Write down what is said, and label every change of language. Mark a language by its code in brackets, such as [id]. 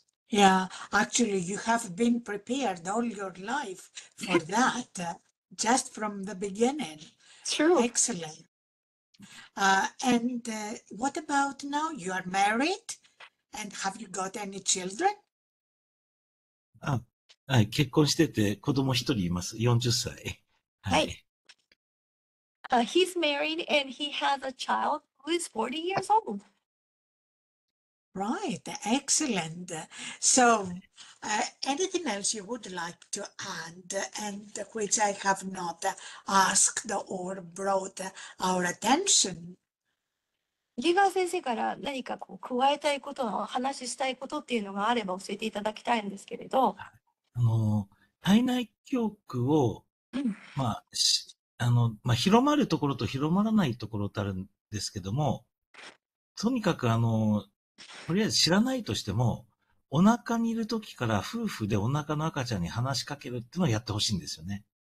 [en] Yeah, actually, you have been prepared all your life for that, just from the beginning. true. Excellent. And what about now? You are married, and have you got any children? [ja] はい、結婚してて子供一人います。 40歳。はい。 [en] He's married, and he has a child who is 40 years old. Right, excellent. So, anything else you would like to add, and which I have not asked or brought our attention? [ja] 池川先生から何かこう加えたいことの、話ししたいことっていうのがあれば教えていただきたいんですけれど。体内教育を、まあ、し、あの、まあ、広まるところと広まらないところとあるんですけども、とにかく、とりあえず知らないとしても、お腹にいる時から夫婦でお腹の赤ちゃんに話しかけるっていうのをやってほしいんですよね。